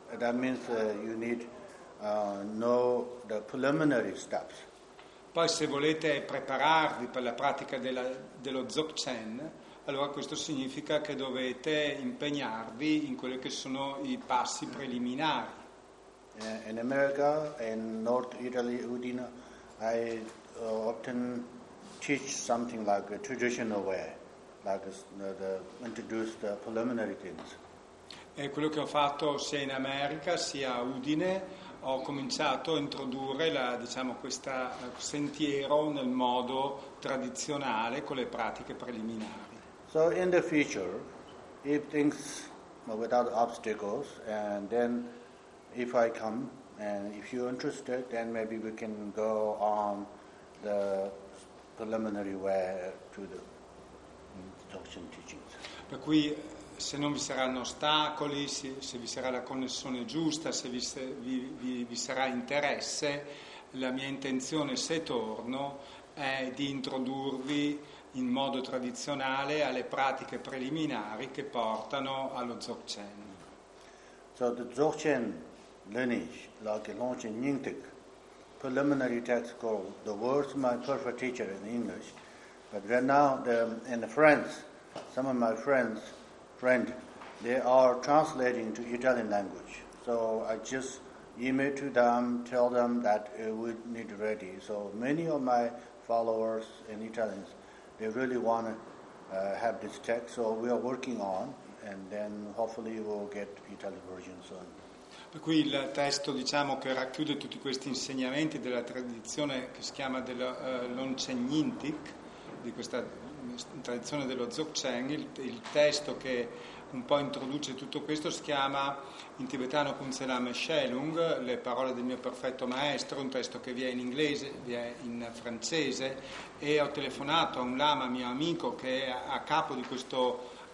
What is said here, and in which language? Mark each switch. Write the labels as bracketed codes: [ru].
[en] That means you need know the preliminary steps. [it] Poi se volete prepararvi per la pratica dello Dzogchen, allora questo significa che dovete impegnarvi in quelli che sono i passi preliminari. [en] In America, in North Italy, Udine, I often teach something like a traditional way, like the introduce the preliminary things. [it] E quello che ho fatto sia in America sia a Udine, ho cominciato a introdurre questo sentiero nel modo tradizionale con le pratiche preliminari. [en] So in the future, if things are without obstacles, and then if I come, and if you're interested, then maybe we can go on the preliminary way to the Dzogchen teachings. [it] Per cui, se non vi saranno ostacoli, se vi sarà la connessione giusta, se vi sarà interesse, la mia intenzione, se torno, è di introdurvi in modo tradizionale alle pratiche preliminari che portano allo Dzogchen. [en] So the Dzogchen lineage, like a Longchen Nyingtik, preliminary text called The Words of My Perfect Teacher in English. But then now in France, some of my friends, they are translating to Italian language. So I just email to them, tell them that it would need ready. So many of my followers in Italians, they really want to have this text. So we are working on, and then hopefully we'll get Italian version soon. [it] Per cui il testo, diciamo, che racchiude tutti questi insegnamenti della tradizione che si chiama della Longchen Nyingtik, di questa tradizione dello Dzogchen, il testo che un po' introduce tutto questo si chiama in tibetano Kunzelam Shelung, le parole del mio perfetto maestro, un testo che vi è in inglese, vi è in francese, e ho telefonato a un lama, mio amico, che è a capo di questo,